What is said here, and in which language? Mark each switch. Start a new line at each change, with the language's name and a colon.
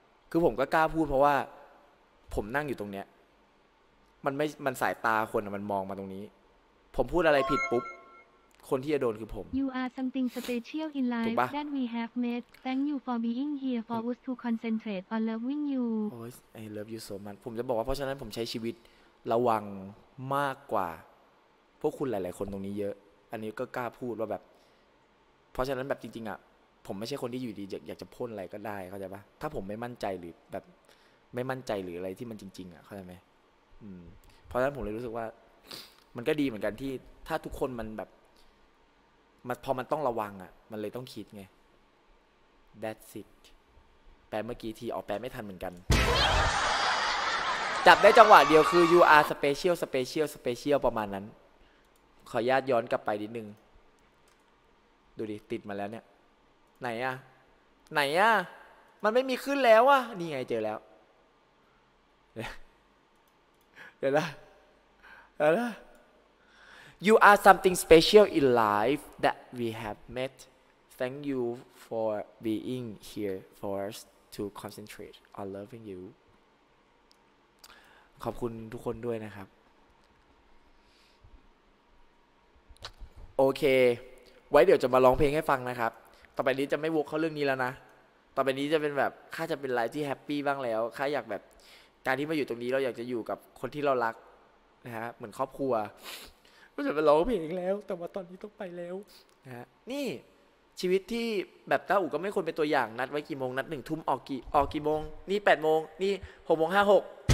Thai: คือผมก็กล้าพูดเพราะว่าผมนั่งอยู่ตรงเนี้ยมันสายตาคนมันมองมาตรงนี้ผมพูดอะไรผิดปุ๊บคนที่จะโดนคือผม
English: You are something special in life that we have met. Thank you for being here for us to concentrate on loving you. I love you so much.
Thai: ผมจะบอกว่าเพราะฉะนั้นผมใช้ชีวิตระวังมากกว่าพวกคุณหลายๆคนตรงนี้เยอะอันนี้ก็กล้าพูดว่าแบบเพราะฉะนั้นแบบจริงๆอ่ะผมไม่ใช่คนที่อยู่ดีอยากจะพ่นอะไรก็ได้เข้าใจป่ะถ้าผมไม่มั่นใจหรือแบบไม่มั่นใจหรืออะไรที่มันจริงๆอ่ะเข้าใจไหมเพราะฉะนั้นผมเลยรู้สึกว่ามันก็ดีเหมือนกันที่ถ้าทุกคนมันแบบมันพอมันต้องระวังอ่ะมันเลยต้องคิดไง
English: That's it
Thai: แปลเมื่อกี้ทีออกแปลไม่ทันเหมือนกัน จับได้จังหวะเดียวคือ
English: you are special special special
Thai: ประมาณนั้นขออนุญาตย้อนกลับไปนิดนึงดูดิติดมาแล้วเนี่ย ไหนอ่ะไหนอ่ะมันไม่มีขึ้นแล้วอ่ะนี่ไงเจอแล้วเดี๋ยวนะนะ
English: You are something special in life that we have met. Thank you for being here for us to concentrate on loving you.
Thai: ขอบคุณทุกคนด้วยนะครับโอเคไว้เดี๋ยวจะมาร้องเพลงให้ฟังนะครับต่อไปนี้จะไม่วกเข้าเรื่องนี้แล้วนะต่อไปนี้จะเป็นแบบข้าจะเป็นไลฟ์ที่แฮปปี้บ้างแล้วข้าอยากแบบการที่มาอยู่ตรงนี้เราอยากจะอยู่กับคนที่เรารักนะฮะเหมือนครอบครัวก็จะไปร้องเพลงแล้วแต่ว่าตอนนี้ต้องไปแล้วนะฮะนี่ชีวิตที่แบบต้าอู่ก็ไม่ควรเป็นตัวอย่างนัดไว้กี่โมงนัดหนึ่งทุ่มออกกี่โมงนี่แปดโมงนี่หกโมงห้าหก